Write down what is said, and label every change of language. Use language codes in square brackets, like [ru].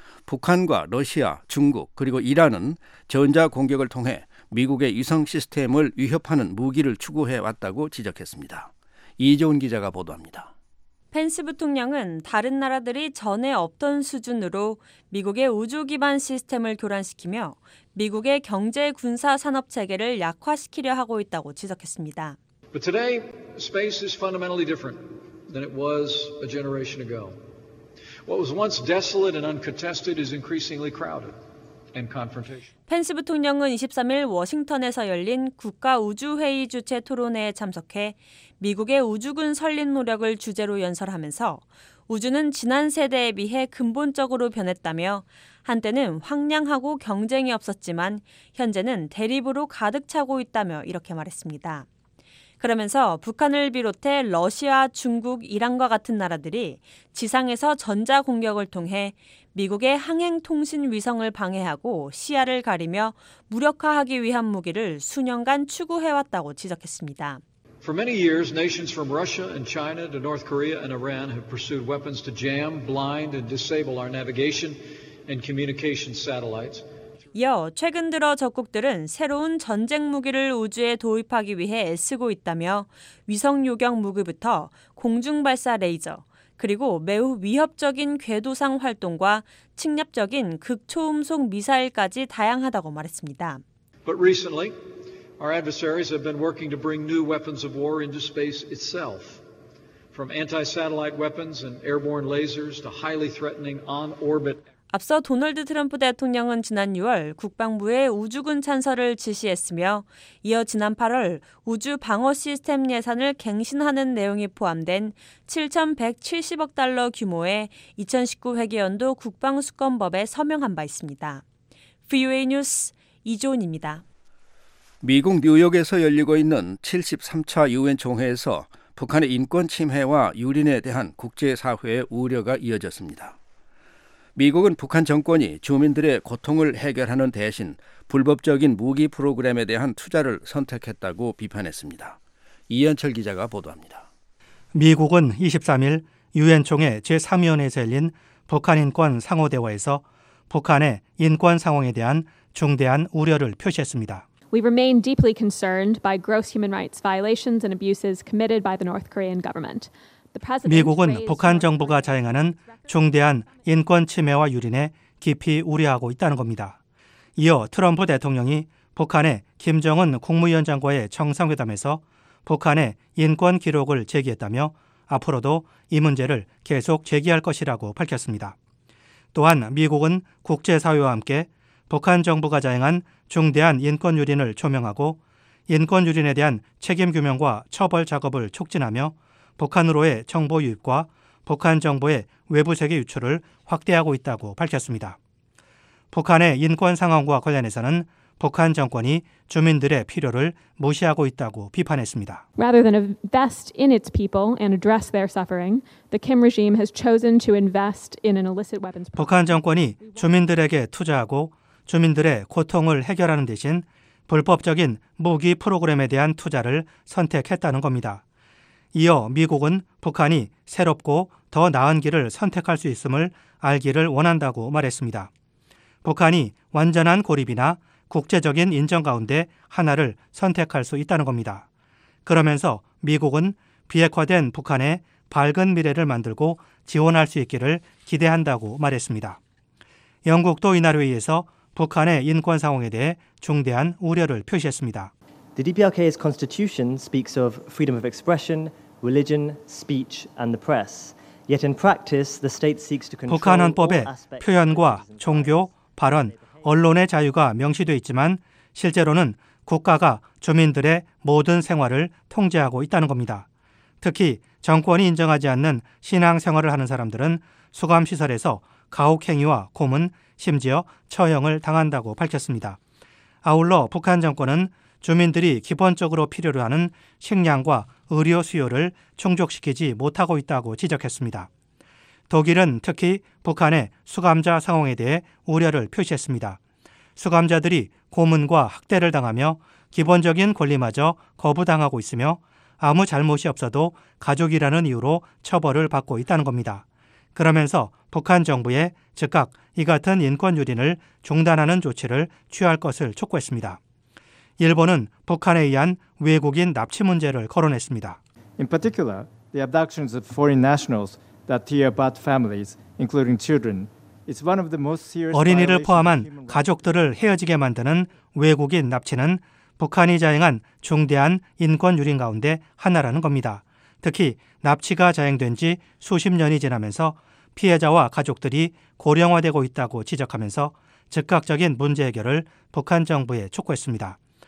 [ko] 북한과 러시아, 중국 그리고 이란은 전자 공격을 통해 미국의 위성 시스템을 위협하는 무기를 추구해 왔다고 지적했습니다. 이재훈 기자가 보도합니다. 펜스 부통령은 다른 나라들이 전에 없던 수준으로 미국의 우주 기반 시스템을 교란시키며 미국의 경제 군사 산업 체계를 약화시키려 하고 있다고 지적했습니다. [en] But today, space is fundamentally different than it was a generation ago. What was once desolate and uncontested is increasingly crowded and confrontational. [ko] 펜스 부통령은 23일 워싱턴에서 열린 국가우주회의 주최 토론회에 참석해 미국의 우주군 설립 노력을 주제로 연설하면서 우주는 지난 세대에 비해 근본적으로 변했다며 한때는 황량하고 경쟁이 없었지만 현재는 대립으로 가득 차고 있다며 이렇게 말했습니다. 그러면서 북한을 비롯해 러시아, 중국, 이란과 같은 나라들이 지상에서 전자 공격을 통해 미국의 항행 통신 위성을 방해하고 시야를 가리며 무력화하기 위한 무기를 수년간 추구해왔다고 지적했습니다. [en] For many years, nations from Russia and China to North Korea and Iran have pursued weapons to jam, blind, and disable our navigation and communication satellites. [ko] 이어 최근 들어 적국들은 새로운 전쟁 무기를 우주에 도입하기 위해 애쓰고 있다며 위성 요격 무기부터 공중발사 레이저, 그리고 매우 위협적인 궤도상 활동과 침략적인 극초음속 미사일까지 다양하다고 말했습니다. [en] But recently, our adversaries have been working to bring new weapons of war into space itself, from anti-satellite weapons and airborne lasers to highly threatening on-orbit. [ko] 앞서 도널드 트럼프 대통령은 지난 6월 국방부에 우주군 찬설을 지시했으며 이어 지난 8월 우주 방어 시스템 예산을 갱신하는 내용이 포함된 7,170억 달러 규모의 2019 회계연도 국방수권법에 서명한 바 있습니다. VOA 뉴스 이조은입니다. 미국 뉴욕에서 열리고 있는 73차 유엔 총회에서 북한의 인권 침해와 유린에 대한 국제사회의 우려가 이어졌습니다. 미국은 북한 정권이 주민들의 고통을 해결하는 대신 불법적인 무기 프로그램에 대한 투자를 선택했다고 비판했습니다. 이현철 기자가 보도합니다. 미국은 23일 유엔총회 제3위원회에서 열린 북한인권 상호대화에서 북한의 인권 상황에 대한 중대한 우려를 표시했습니다. [en] We remain deeply concerned by gross human rights violations and abuses committed by the North Korean government. [ko] 미국은 북한 정부가 자행하는 중대한 인권 침해와 유린에 깊이 우려하고 있다는 겁니다. 이어 트럼프 대통령이 북한의 김정은 국무위원장과의 정상회담에서 북한의 인권 기록을 제기했다며 앞으로도 이 문제를 계속 제기할 것이라고 밝혔습니다. 또한 미국은 국제사회와 함께 북한 정부가 자행한 중대한 인권 유린을 조명하고 인권 유린에 대한 책임 규명과 처벌 작업을 촉진하며 북한으로의 정보 유입과 북한 정부의 외부 세계 유출을 확대하고 있다고 밝혔습니다. 북한의 인권 상황과 관련해서는 북한 정권이 주민들의 필요를 무시하고 있다고 비판했습니다. [en] Rather than invest in its people and address their suffering, the Kim regime has chosen to invest in an illicit weapons. [ko] 북한 정권이 주민들에게 투자하고 주민들의 고통을 해결하는 대신 불법적인 무기 프로그램에 대한 투자를 선택했다는 겁니다. 이어 미국은 북한이 새롭고 더 나은 길을 선택할 수 있음을 알기를 원한다고 말했습니다. 북한이 완전한 고립이나 국제적인 인정 가운데 하나를 선택할 수 있다는 겁니다. 그러면서 미국은 비핵화된 북한의 밝은 미래를 만들고 지원할 수 있기를 기대한다고 말했습니다. 영국도 이날 회의에서 북한의 인권 상황에 대해 중대한 우려를 표시했습니다. [en] The DPRK's constitution speaks of freedom of expression, religion, speech, and the press. Yet in practice, the state seeks to control. [ko] 북한 헌법에 표현과 종교, 발언, 언론의 자유가 명시되어 있지만 실제로는 국가가 주민들의 모든 생활을 통제하고 있다는 겁니다. 특히 정권이 인정하지 않는 신앙 생활을 하는 사람들은 수감 시설에서 가혹 행위와 고문, 심지어 처형을 당한다고 밝혔습니다. 아울러 북한 정권은 주민들이 기본적으로 필요로 하는 식량과 의료 수요를 충족시키지 못하고 있다고 지적했습니다. 독일은 특히 북한의 수감자 상황에 대해 우려를 표시했습니다. 수감자들이 고문과 학대를 당하며 기본적인 권리마저 거부당하고 있으며 아무 잘못이 없어도 가족이라는 이유로 처벌을 받고 있다는 겁니다. 그러면서 북한 정부에 즉각 이 같은 인권 유린을 중단하는 조치를 취할 것을 촉구했습니다. 일본은 북한에 의한 외국인 납치 문제를 거론했습니다. [en] In particular, the abductions of foreign nationals that tear apart families, including children, is one of the most serious. [ko] 어린이를 포함한 가족들을 헤어지게 만드는 외국인 납치는 북한이 자행한 중대한 인권 유린 가운데 하나라는 겁니다. 특히 납치가 자행된 지 수십 년이 지나면서 피해자와 가족들이 고령화되고 있다고 지적하면서 즉각적인 문제 해결을 북한 정부에 촉구했습니다.